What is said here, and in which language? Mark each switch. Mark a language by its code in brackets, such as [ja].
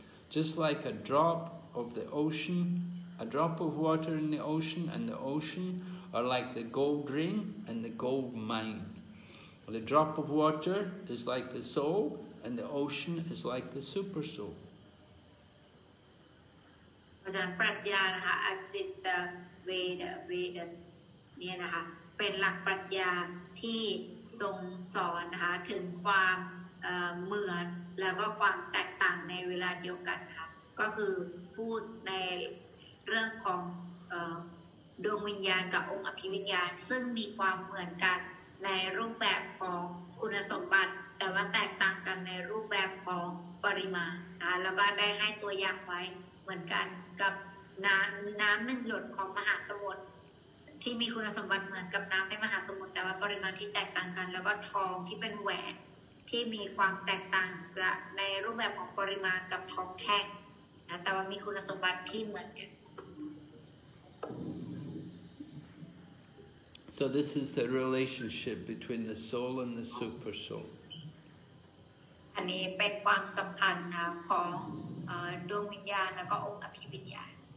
[en] Just like a drop of the ocean, a drop of water in the ocean are like the gold ring and the gold mine. The drop of water is like the soul, and the ocean is like the super soul. [th] อาจารย์ปรัชญานะคะ อจินตเวทเนี่ยนะคะเป็นหลักปรัชญาที่ทรงสอนนะคะถึงความเหมือนแล้วก็ความแตกต่างในเวลาเดียวกันค่ะก็คือพูดในเรื่องของ ดวงวิญญาณกับองค์อภิวิญญาณซึ่งมีความเหมือนกันในรูปแบบของคุณสมบัติแต่ว่าแตกต่างกันในรูปแบบของปริมาณนะแล้วก็ได้ให้ตัวอย่างไว้เหมือนกันกับน้ำหนึ่งหยดของมหาสมุทรที่มีคุณสมบัติเหมือนกับน้ำในมหาสมุทรแต่ว่าปริมาณที่แตกต่างกันแล้วก็ทองที่เป็นแหวนที่มีความแตกต่างจะในรูปแบบของปริมาณกับทองแท่งนะแต่ว่ามีคุณสมบัติที่เหมือนกัน [en] So this is the relationship between the soul and the super soul [th] อันนี้เป็นความสัมพันธ์ของดวงวิญญาณแล้วก็องค์อภิวิญญาณ